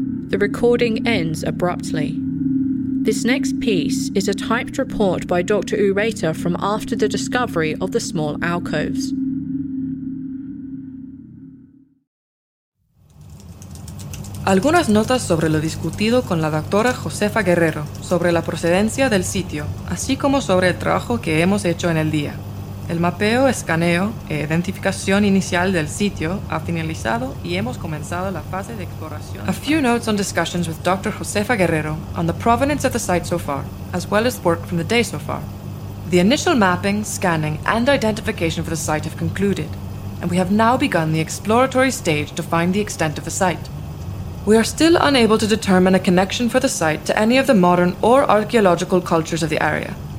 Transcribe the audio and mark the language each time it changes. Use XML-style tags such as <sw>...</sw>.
<en>The recording ends abruptly. This next piece is a typed report by Dr. Ureta from after the discovery of the small alcoves.</en> <es>Algunas notas sobre lo discutido con la doctora Josefa Guerrero sobre la procedencia del sitio, así como sobre el trabajo que hemos hecho en el día. El mapeo, escaneo e identificación inicial del sitio ha finalizado y hemos comenzado la fase de exploración.</es> <en>A few notes on discussions with Dr. Josefa Guerrero on the provenance of the site so far, as well as work from the day so far. The initial mapping, scanning and identification for the site have concluded, and we have now begun the exploratory stage to find the extent of the site. We are still unable to determine a connection for the site to any of the modern or archaeological cultures of the area.</en>